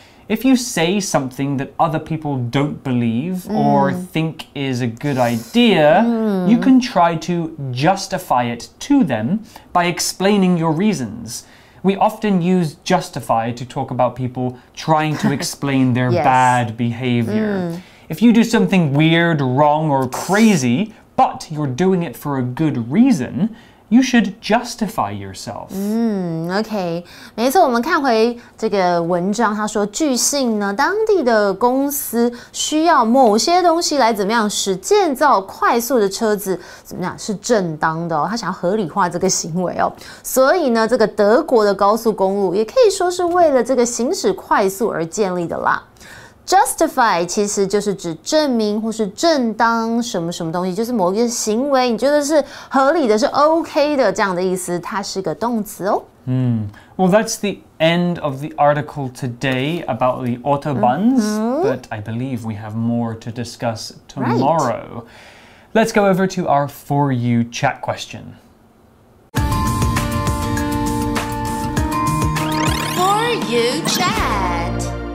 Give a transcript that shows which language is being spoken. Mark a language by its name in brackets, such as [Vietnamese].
[English] If you say something that other people don't believe or think is a good idea, you can try to justify it to them by explaining your reasons. We often use justify to talk about people trying to explain their bad behavior. If you do something weird, wrong, or crazy, but you're doing it for a good reason,You should justify yourself. [Chinese] OK, 没错，我们看回这个文章，他说据信呢，当地的公司需要某些东西来怎么样使建造快速的车子怎么样是正当的哦，他想要合理化这个行为哦。所以呢，这个德国的高速公路也可以说是为了这个行驶快速而建立的啦。 Justify 其实就是指证明或是正当什么什么东西，就是某一个行为你觉得是合理的，是 OK 的这样的意思，它是个动词哦。 [English] Well, that's the end of the article today about the autobahns, but I believe we have more to discuss tomorrow. Let's go over to our For You chat question. For You chat.